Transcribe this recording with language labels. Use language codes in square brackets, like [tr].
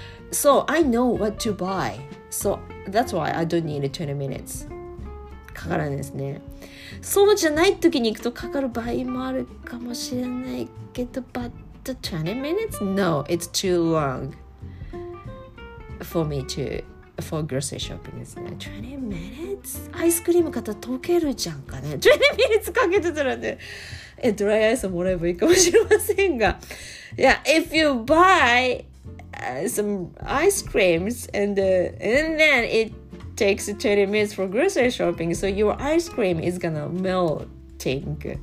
[en] So I know what to buy. So that's why I don't need 20 minutes. [ja] かからないですね。そうじゃない時に行くとかかる場合もあるかもしれないけど、 [en] but the 20 minutes? No, it's too long for me to, for grocery shopping. [ja] ですね。20 minutes? アイスクリーム買ったら溶けるじゃんかね。 20 minutes かけてたらね。ドライアイスもらえばいいかもしれませんが。 [en] Yeah, if you buy some ice creams and, and then it takes 20 minutes for grocery shopping, so your ice cream is gonna melting.